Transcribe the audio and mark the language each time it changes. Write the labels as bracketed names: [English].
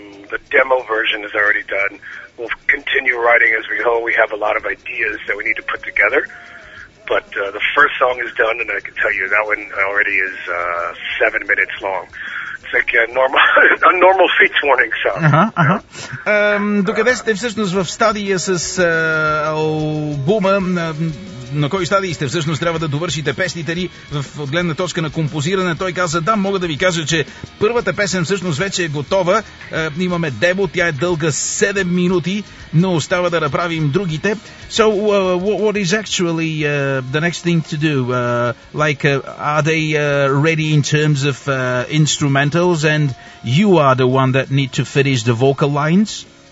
[English] The demo version is already done. We'll continue writing as we go. We have a lot of ideas that we need to put together. But the first song is done, and I can tell you that one already is 7 minutes long. A normal Fates Warning song. [Bulgarian] Докъде сте всъщност в стадия с албума? На кой стадий сте всъщност? Трябва да довършите песните ни в гледна точка на композиране. Той каза, да, мога да ви кажа, че първата песен всъщност вече е готова. Имаме демо, тя е дълга 7 минути, но остава да направим другите. [English] So, what is actually the next thing to do? Are they ready in terms of instrumentals, and you are the one that need to finish the vocal lines?